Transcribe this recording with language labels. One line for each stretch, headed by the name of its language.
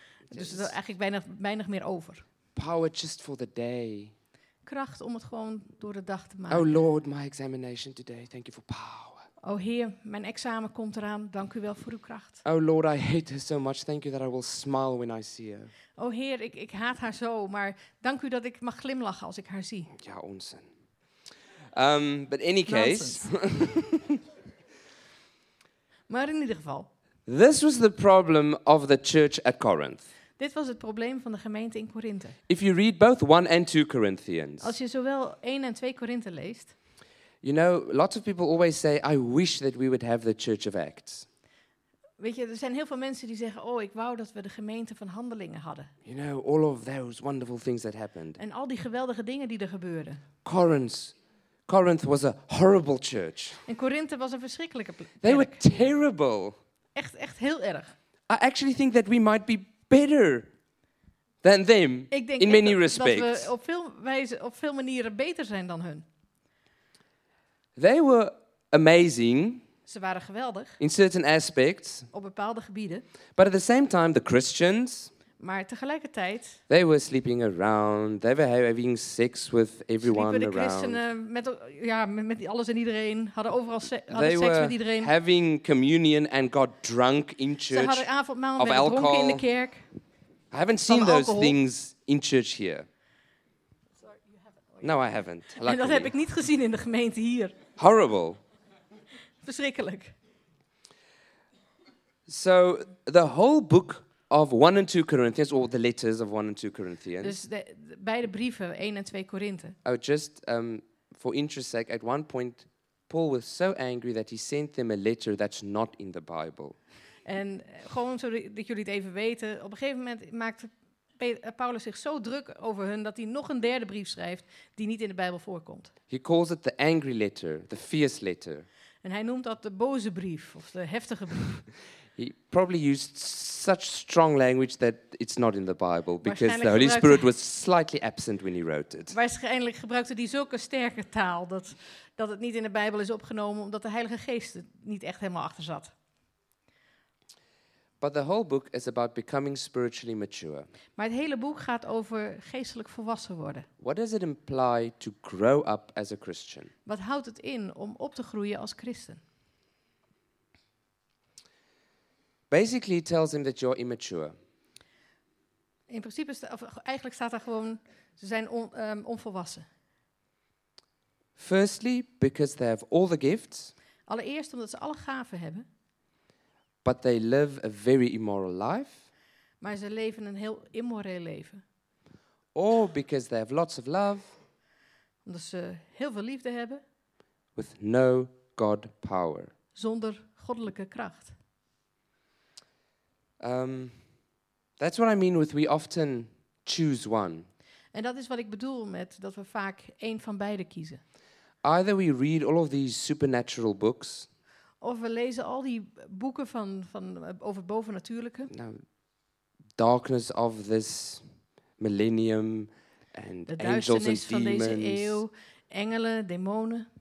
English: Just
Dutch: dus er eigenlijk weinig meer over.
English: Power just for the day.
Dutch: Kracht om het gewoon door de dag te maken.
English: Oh Lord, my examination today. Thank you for power.
Dutch: Oh Heer, mijn examen komt eraan. Dank u wel voor uw kracht.
English: Oh Lord, I hate her so much. Thank you that I will smile when I see her.
Dutch: Oh Heer, ik haat haar zo, maar dank u dat ik mag glimlachen als ik haar zie. Ja, onzin.
English: But any case.
Dutch: Maar in ieder geval.
English: This was the problem of the church at Corinth.
Dutch: Dit was het probleem van de gemeente in Korinthe.
English: If you read both 1 and 2 Corinthians.
Dutch: Als je zowel 1 en 2 Korinthe leest.
English: You know, lots of people always say, I wish that we would have the church of Acts.
Dutch: Weet je, er zijn heel veel mensen die zeggen, oh, ik wou dat we de gemeente van Handelingen hadden.
English: You know, all of those wonderful things that happened.
Dutch: En al die geweldige dingen die er gebeurden.
English: Corinth was a horrible church.
Dutch: En Korinthe was een verschrikkelijke plek.
English: They were terrible.
Dutch: Echt heel erg.
English: I actually think that we might be better than them in many respects.
Dutch: Ik denk dat we op veel manieren beter zijn dan hun.
English: They were amazing.
Dutch: Ze waren geweldig.
English: In certain aspects.
Dutch: Op bepaalde gebieden.
English: But at the same time the Christians.
Dutch: Maar tegelijkertijd.
English: They were sleeping around. They were having sex with everyone around.
Dutch: Sliepen de christenen met alles en iedereen. Hadden overal
English: they
Dutch: seks met iedereen.
English: Having communion and got drunk in church.
Dutch: Ze hadden avondmaal en werden dronken in de kerk.
English: I haven't seen those things in church here. Sorry, you haven't. No, I haven't. Luckily.
Dutch: En dat heb ik niet gezien in de gemeente hier.
English: Horrible.
Dutch: Verschrikkelijk.
English: So the whole book of 1 and 2 Corinthians, or the letters of 1 and 2 Corinthians.
Dutch: Dus de beide brieven, 1 en 2 Korinthe.
English: Oh, just for interest sake, at one point, Paul was so angry that he sent them a letter that's not in the Bible.
Dutch: En gewoon zodat jullie het even weten. Op een gegeven moment maakt Paulus zich zo druk over hun dat hij nog een derde brief schrijft die niet in de Bijbel voorkomt.
English: He calls it the angry letter, the fierce letter.
Dutch: En hij noemt dat de boze brief of de heftige brief.
English: He probably used such strong language that it's not in the Bible because the Holy Spirit was slightly absent when he wrote it.
Dutch: Waarschijnlijk gebruikte hij zulke sterke taal dat het niet in de Bijbel is opgenomen omdat de Heilige Geest er niet echt helemaal achter zat.
English: But the whole book is about becoming spiritually mature.
Dutch: Maar het hele boek gaat over geestelijk volwassen worden.
English: What does it imply to grow up as a Christian?
Dutch: Wat houdt het in om op te groeien als christen?
English: Basically it tells him that you're immature.
Dutch: In principe eigenlijk staat daar gewoon ze zijn onvolwassen.
English: Firstly because they have all the gifts.
Dutch: Allereerst omdat ze alle gaven hebben.
English: But they live a very immoral life.
Dutch: Maar ze leven een heel immoreel leven.
English: Or because they have lots of love.
Dutch: Omdat ze heel veel liefde hebben.
English: With no God power.
Dutch: Zonder goddelijke kracht.
English: That's what I mean with we often choose one.
Dutch: En dat is wat ik bedoel met dat we vaak één van beide kiezen.
English: Either we read all of these supernatural books.
Dutch: Of we lezen al die boeken van over het bovennatuurlijke.
English: Now, darkness of this millennium and
Dutch: de
English: angels and demons.
Dutch: De duisternis van deze eeuw, engelen, demonen.